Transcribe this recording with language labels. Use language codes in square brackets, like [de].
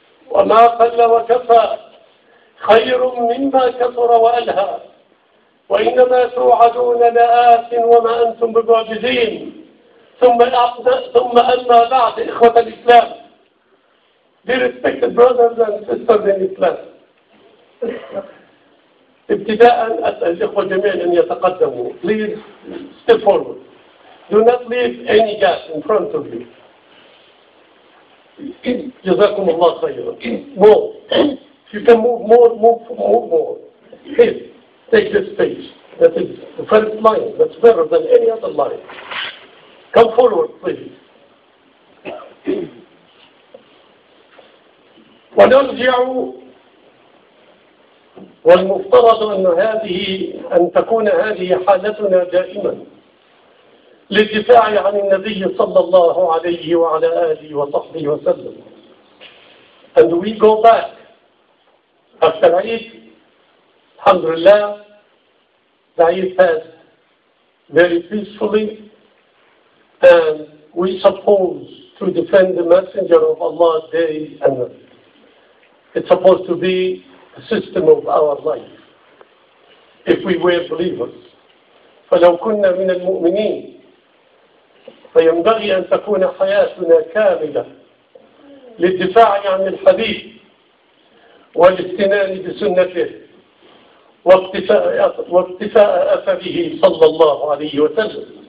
[ar] وما قل وكفى خير مما كثر وألهى، وإنما توعدون لآت وما أنتم بمعجزين. ثم أما بعد، إخوة الإسلام، [en] dear respected brothers and sisters in Islam، [ar] ابتداء أسأل الإخوة جميعا أن يتقدموا. [en] Please step forward. Do not leave any gap in front of you. [ar] جزاكم الله خيرا. [en] More. If you can move more. Please take this space. That is the first line. That's better than any other line. Come forward, please. [ar] ونرجع والمفترض أن هذه أن تكون هذه حالتنا دائما للدفاع عن النبي صلى الله عليه وعلى آله وصحبه وسلم. [en] And we go back after Eid. Alhamdulillah, the Eid passed very peacefully, and we supposed to defend the Messenger of Allah day and night. It's supposed to be the system of our life if we were believers. [ar] فلو كنا من المؤمنين فينبغي أن تكون حياتنا كاملة للدفاع عن الحبيب والاستنان بسنته واقتفاء أثره صلى الله عليه وسلم.